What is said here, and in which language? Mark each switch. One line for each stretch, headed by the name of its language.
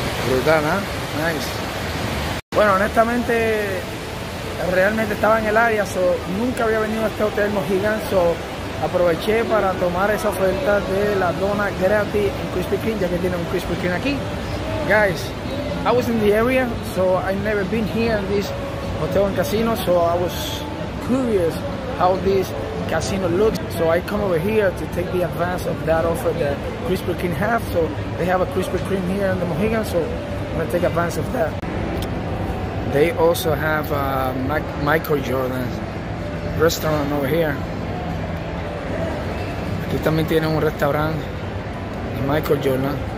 Spanish: Brutal, ¿eh? Nice. Bueno, honestamente, realmente estaba en el área, so, nunca había venido a este hotel Mohegan, so, aproveché para tomar esa oferta de la dona gratis en Krispy Kreme, ya que tiene un Krispy Kreme aquí.
English: Guys, I was in the area, so I've never been here in this hotel and casino, so I was curious how this casino looks. So I come over here to take the advance of that offer that Krispy Kreme have. So they have a Krispy Kreme here in the Mohegan, so I'm gonna take advance of that. They also have Michael Jordan's restaurant over here.
Spanish: Aquí también tiene un restaurante de Michael Jordan.